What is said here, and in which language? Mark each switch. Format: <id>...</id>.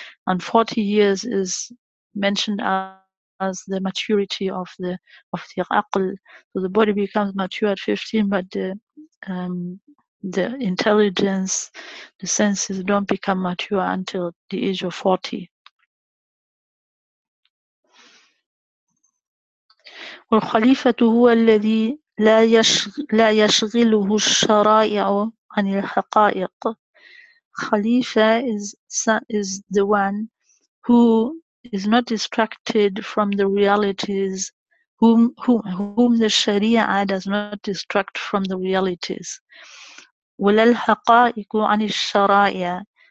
<en>And 40 years is mentioned as the maturity of the aql. So the body becomes mature at 15, but the intelligence, the senses don't become mature until the age of 40.</en> <ar>والخليفة هو الذي لا يشغله الشرائع عن الحقائق.</ar> <en>خليفة is the one who is not distracted from the realities, whom the Sharia does not distract from the realities.</en> <ar>وَلَا الْحَقَائِقُ عَنِ الشَّرَائِعَ,</ar>